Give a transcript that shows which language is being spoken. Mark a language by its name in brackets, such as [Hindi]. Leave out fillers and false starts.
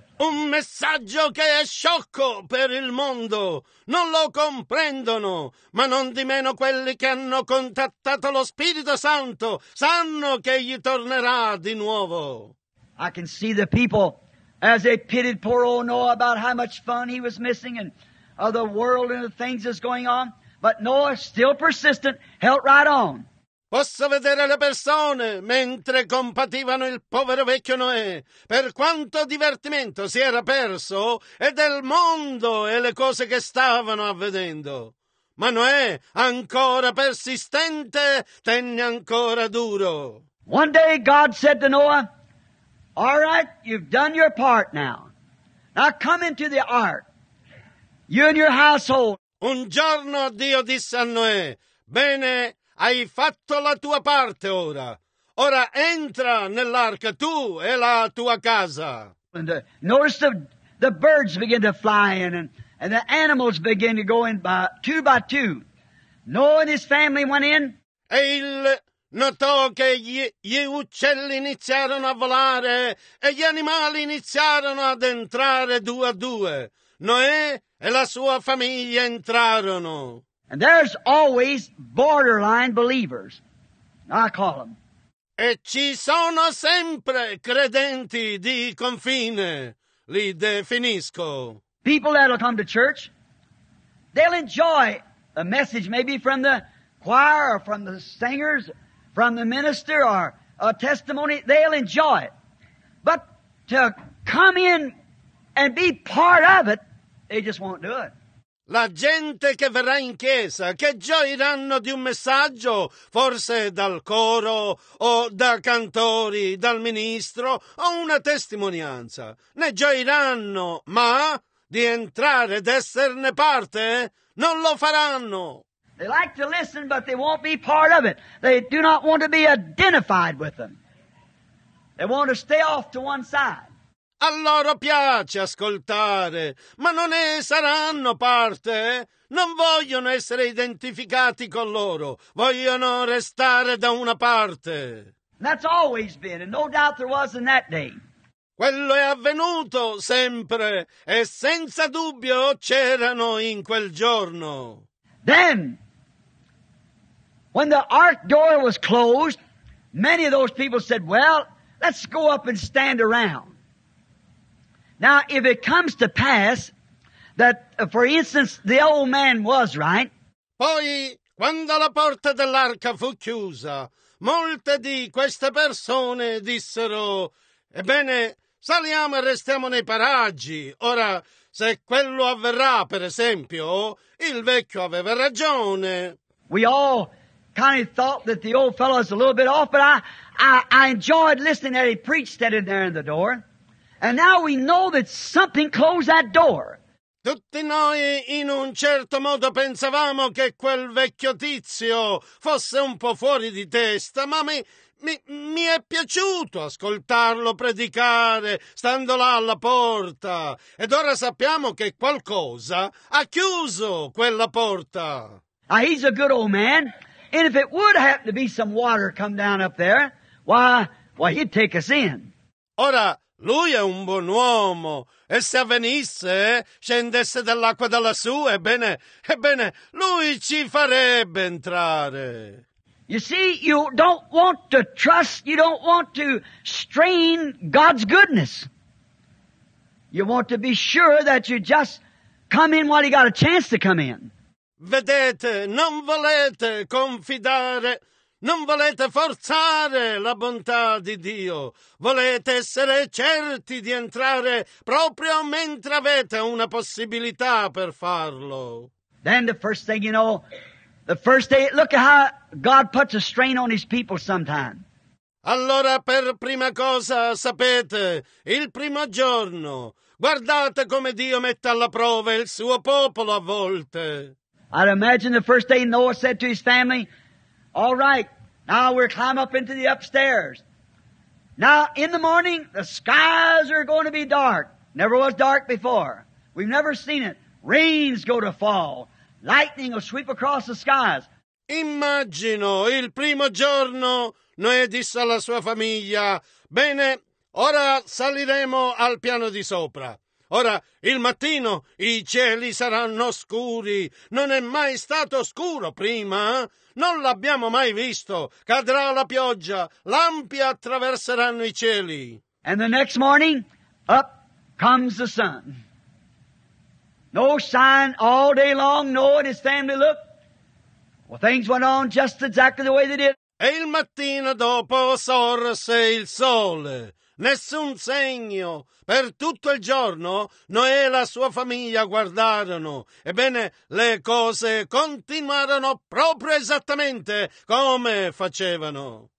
[Italian] Un messaggio che è sciocco per il mondo. Non lo comprendono, ma non di meno quelli che hanno contattato lo Spirito Santo sanno che egli tornerà di nuovo. [English] I can see the people as they pitied poor old Noah about how much fun he was missing and of the world and the things that's going on. But Noah, still persistent, held right on. [Italian] Posso vedere le persone mentre compativano il povero vecchio Noè per quanto divertimento si era perso e del mondo e le cose che stavano avvenendo. Ma Noè, ancora persistente, tenne ancora duro. [English] One day God said to Noah, "All right, you've done your part now. Now come into the ark, you and your household." [Italian] Un giorno Dio disse a Noè, "Bene, hai fatto la tua parte ora. Ora entra nell'arca tu e la tua casa." [English] And notice the birds begin to fly in and the animals begin to go in by two. Noah and his family went in. [Italian] E il notò che gli uccelli iniziarono a volare e gli animali iniziarono ad entrare due a due. Noè e la sua famiglia entrarono. [English] And there's always borderline believers, I call them. [Italian] E ci sono sempre credenti di confine, li definisco. [English] People that'll come to church, they'll enjoy a message maybe from the choir or from the singers, from the minister or a testimony, they'll enjoy it. But to come in and be part of it, they just won't do it. [Italian] La gente che verrà in chiesa, che gioiranno di un messaggio, forse dal coro, o da cantori, dal ministro, o una testimonianza. Ne gioiranno, ma di entrare ed esserne parte, non lo faranno. [English] They like to listen, but they won't be part of it. They do not want to be identified with them. They want to stay off to one side. [Italian] A loro piace ascoltare, ma non ne saranno parte. Non vogliono essere identificati con loro. Vogliono restare da una parte. [English] That's always been, and no doubt there was in that day. [Italian] Quello è avvenuto sempre, e senza dubbio c'erano in quel giorno. [English] Then, when the ark door was closed, many of those people said, "Well, let's go up and stand around." Now, if it comes to pass that, for instance, the old man was right. [Italian] Poi, quando la porta dell'arca fu chiusa, molte di queste persone dissero, "Ebbene, saliamo e restiamo nei paraggi. Ora, se quello avverrà, per esempio, il vecchio aveva ragione." [English] We all kind of thought that the old fellow was a little bit off, but I enjoyed listening that he preached that in there in the door. And now we know that something closed that door. [Italian] Tutti noi in un certo modo pensavamo che quel vecchio tizio fosse un po' fuori di testa, ma mi è piaciuto ascoltarlo predicare, stando là alla porta. Ed ora sappiamo che qualcosa ha chiuso quella porta. [English] Now he's a good old man, and if it would happen to be some water come down up there, why he'd take us in. [Italian] Ora, lui è un buon uomo, e se avvenisse, scendesse dall'acqua da lassù, ebbene, lui ci farebbe entrare. [English] You see, you don't want to trust, you don't want to strain God's goodness. You want to be sure that you just come in while you got a chance to come in. [Italian] Vedete, non volete confidare. Non volete forzare la bontà di Dio. Volete essere certi di entrare proprio mentre avete una possibilità per farlo. [English] Then the first thing you know, the first day, look at how God puts a strain on his people sometimes. [Italian] Allora per prima cosa, sapete, il primo giorno, guardate come Dio mette alla prova il suo popolo a volte. [English] I'd imagine the first day Noah said to his family, "All right, now we're climb up into the upstairs. Now, in the morning, the skies are going to be dark. Never was dark before. We've never seen it. Rain's going to fall. Lightning will sweep across the skies." [Italian] Immagino il primo giorno, Noè disse alla sua famiglia, "Bene, ora saliremo al piano di sopra. Ora, il mattino, i cieli saranno scuri. Non è mai stato scuro prima. Non l'abbiamo mai visto. Cadrà la pioggia. Lampi attraverseranno i cieli. [English] And the next morning, up comes the sun. No sign all day long, no one is standing to look. Well, things went on just exactly the way they did. [Italian] E il mattino dopo sorse il sole. Nessun segno. Per tutto il giorno Noè e la sua famiglia guardarono. Ebbene, le cose continuarono proprio esattamente come facevano.